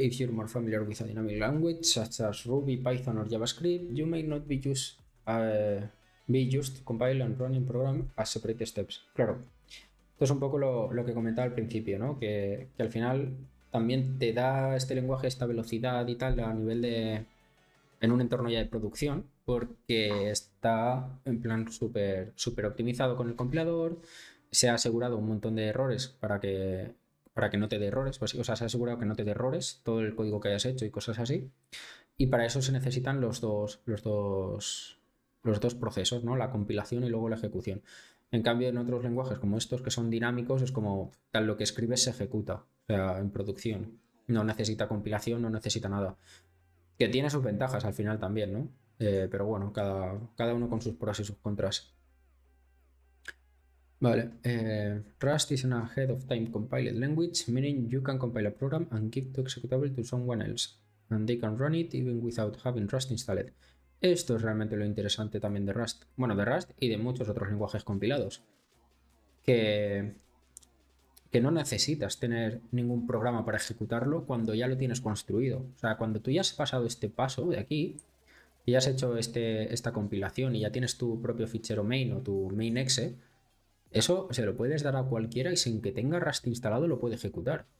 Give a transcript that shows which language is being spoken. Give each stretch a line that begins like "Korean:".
English: If you're more familiar with a dynamic language such as Ruby, Python or JavaScript, you may not be used. Be just compile and running program as separate steps.
Spanish: Claro, esto es un poco lo que comentaba al principio, ¿no? Que al final también te da este lenguaje, esta velocidad y tal a nivel de... en un entorno ya de producción, porque está en plan súper súper optimizado con el compilador, se ha asegurado un montón de errores para que no te dé errores, pues, o sea, se ha asegurado que no te dé errores todo el código que hayas hecho y cosas así. Y para eso se necesitan los dos procesos, ¿no? La compilación y luego la ejecución. En cambio, en otros lenguajes como estos, que son dinámicos, es como tal lo que escribes se ejecuta, o sea, en producción. No necesita compilación, no necesita nada. Que tiene sus ventajas al final también, ¿no? Pero bueno, cada uno con sus pros y sus contras.
English: Vale. Rust is an ahead of time compiled language, meaning you can compile a program and give to executable to someone else. And they can run it even without having Rust installed.
Spanish: Esto es realmente lo interesante también de Rust. Bueno, de Rust y de muchos otros lenguajes compilados. Que no necesitas tener ningún programa para ejecutarlo cuando ya lo tienes construido. O sea, cuando tú ya has pasado este paso de aquí, y ya has hecho esta compilación y ya tienes tu propio fichero main o tu main.exe, eso se lo puedes dar a cualquiera y sin que tenga Rust instalado lo puede ejecutar.